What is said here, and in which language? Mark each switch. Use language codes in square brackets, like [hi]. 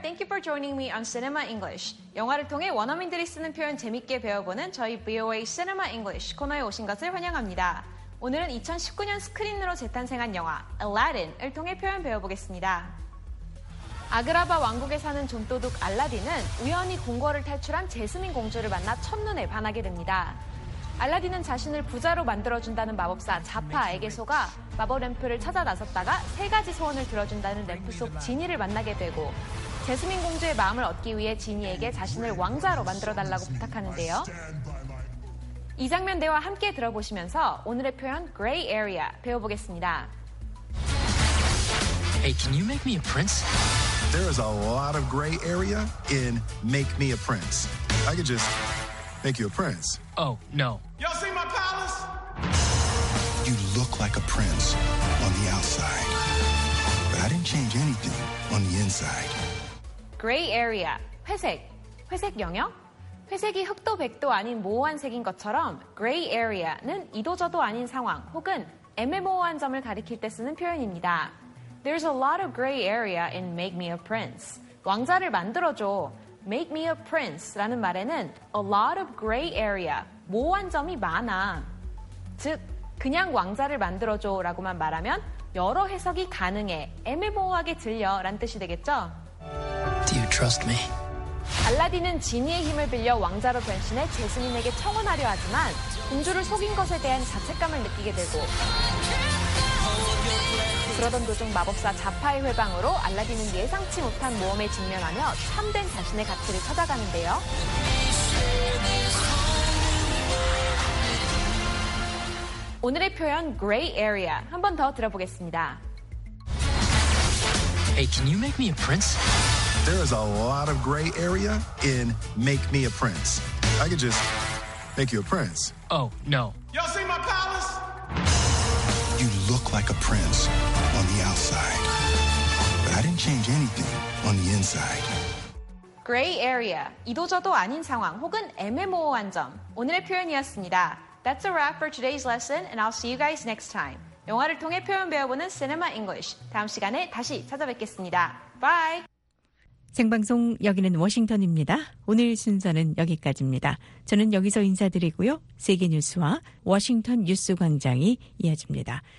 [en] Thank you for joining me on Cinema English. [ko] 영화를 통해 원어민들이 쓰는 표현 재밌게 배워보는 저희 VOA Cinema English 코너에 오신 것을 환영합니다. 오늘은 2019년 스크린으로 재탄생한 영화 Aladdin을 통해 표현 배워보겠습니다. 아그라바 왕국에 사는 좀도둑 알라딘은 우연히 궁궐을 탈출한 제스민 공주를 만나 첫눈에 반하게 됩니다. 알라딘은 자신을 부자로 만들어준다는 마법사 자파에게 속아 마법램프를 찾아 나섰다가 세 가지 소원을 들어준다는 램프 속 지니를 만나게 되고 제스민 공주의 마음을 얻기 위해 지니에게 자신을 왕자로 만들어달라고 부탁하는데요. 이 장면 대화 함께 들어보시면서 오늘의 표현 Gray Area 배워보겠습니다. [en] Hey, can you make me a prince? There is a lot of gray area in make me a prince. I could just make you a prince. Oh, no. Y'all see my palace? You look like a prince on the outside. But I didn't change anything on the inside. [ko] Gray area, 회색, 회색 영역? 회색이 흑도 백도 아닌 모호한 색인 것처럼 gray area는 이도 저도 아닌 상황 혹은 애매모호한 점을 가리킬 때 쓰는 표현입니다. [en] There's a lot of gray area in make me a prince. [ko] 왕자를 만들어줘. [en] Make me a prince라는 [ko] 말에는 [en] a lot of gray area, [ko] 모호한 점이 많아. 즉, 그냥 왕자를 만들어줘라고만 말하면 여러 해석이 가능해, 애매모호하게 들려라는 뜻이 되겠죠? [en] Do you trust me? [ko] 알라딘은 지니의 힘을 빌려 왕자로 변신해 제스민에게 청혼하려 하지만 공주를 속인 것에 대한 자책감을 느끼게 되고 그러던 도중 마법사 자파의 회방으로 알라딘은 예상치 못한 모험에 직면하며 참된 자신의 가치를 찾아가는데요. 오늘의 표현 gray area 한 번 더 들어보겠습니다. [en] Hey, can you make me a prince? There is a lot of gray area in make me a prince. I could just make you a prince. Oh, no. Y'all see my palace? You look like a prince on the outside. But I didn't change anything on the inside. [ko] Gray area, 이도저도 아닌 상황 혹은 애매모호한 점, 오늘의 표현이었습니다. [en] That's a wrap for today's lesson, and I'll see you guys next time. [ko] 영화를 통해 표현 배워보는 Cinema English. 다음 시간에 다시 찾아뵙겠습니다. [en] Bye! [ko] 생방송 여기는 워싱턴입니다. 오늘 순서는 여기까지입니다. 저는 여기서 인사드리고요. 세계뉴스와 워싱턴 뉴스광장이 이어집니다.